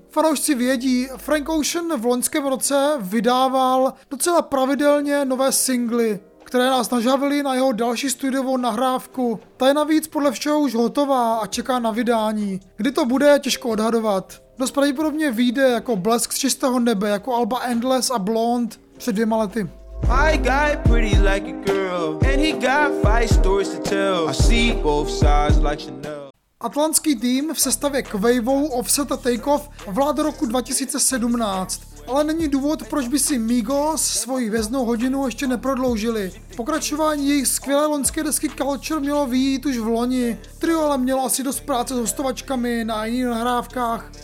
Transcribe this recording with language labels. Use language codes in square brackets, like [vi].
[cs] Fanoušci vědí, Frank Ocean v loňském roce vydával docela pravidelně nové singly, které nás nažavily na jeho další studiovou nahrávku. Ta je navíc podle všeho už hotová a čeká na vydání. Kdy to bude, těžko odhadovat. Dost pravděpodobně vyjde jako Blesk z čistého nebe, jako alba Endless a Blonde před 2 lety. [en] My guy pretty like a girl, and he got 5 stories to tell. I see both sides like Chanel. [cs] Atlantský tým v sestavě Quavo, Offset a Takeoff vládl roku 2017. Ale není důvod, proč by si Migos svoji věznou hodinu ještě neprodloužili. Pokračování jejich skvělé loňské desky Culture mělo vyjít už v loni. Trio ale mělo asi dost práce s hostovačkami na jiných nahrávkách.